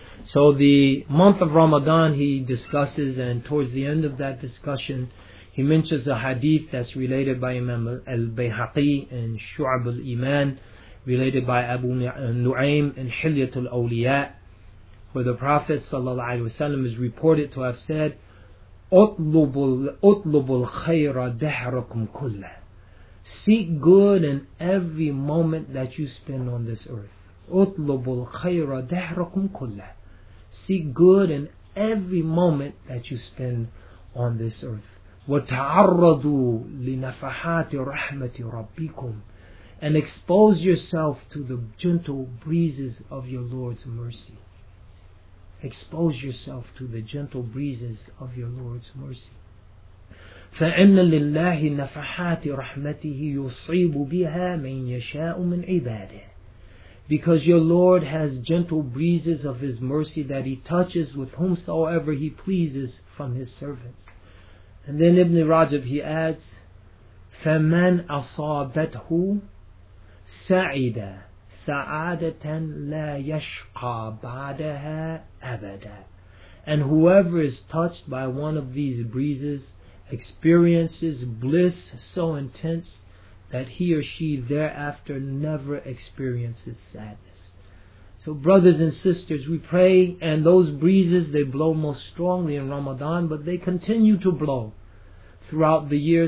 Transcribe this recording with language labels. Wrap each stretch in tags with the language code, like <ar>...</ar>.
<en>So the month of Ramadan he discusses, and towards the end of that discussion he mentions a hadith that's related by Imam al-Bayhaqi in Shu'ab al-Iman, related by Abu Nu'aym in Hilyat al-Awliya, where the Prophet ﷺ is reported to have said,</en> <ar>أطلب الخير دهركم كله.</ar> <en>Seek good in every moment that you spend on this earth.</en> <ar>أطلب الخير دهركم كله.</ar> <en>Seek good in every moment that you spend on this earth.</en> <ar>وتعرضوا لنفحات رحمة ربكم.</ar> <en>And expose yourself to the gentle breezes of your Lord's mercy. Expose yourself to the gentle breezes of your Lord's mercy.</en> <ar>فَإِنَّ لِلَّهِ نَفَحَاتِ رَحْمَتِهِ يُصِيبُ بِهَا مَنْ يَشَاءُ مِنْ عِبَادِهِ.</ar> <en>Because your Lord has gentle breezes of His mercy that He touches with whomsoever He pleases from His servants. And then Ibn Rajab, he adds,</en> <ar>فَمَنْ أَصَابَتْهُ سَعِدَ سَعَادَةً لَا يَشْقَى بَعْدَهَا أَبَدًا.</ar> <en>And whoever is touched by one of these breezes experiences bliss so intense that he or she thereafter never experiences sadness. So brothers and sisters, we pray, and those breezes, they blow most strongly in Ramadan, but they continue to blow throughout the year.</en>